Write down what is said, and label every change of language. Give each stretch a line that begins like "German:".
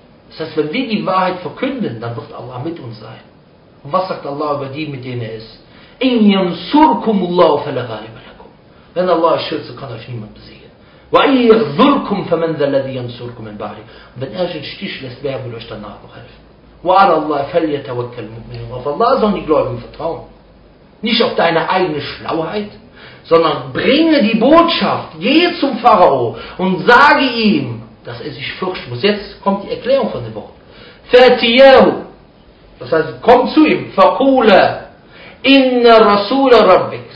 German: Das heißt, wenn wir die Wahrheit verkünden, dann wird Allah mit uns sein. Und was sagt Allah über die, mit denen er ist?
Arabic: In yansurkum Allahu fala ghaliba lakum.
German: Wenn Allah schützt, kann euch niemand besiegen.
Arabic: Wa in yaghzurkum faman dha alladhi yansurkum min ba'di.
German: Und wenn er einen Stich lässt, wer will euch danach helfen?
Arabic: وعلى الله فليتوكل المؤمنون.
German: Auf Allah sollen die Gläubigen vertrauen. Nicht auf deine eigene Schlauheit, sondern bringe die Botschaft, gehe zum Pharao und sage ihm, dass er sich fürchten muss. Jetzt kommt die Erklärung von dem Wort.
Arabic: فاتياه.
German: Das heißt, komm zu ihm.
Arabic: فقول إن رسول ربك.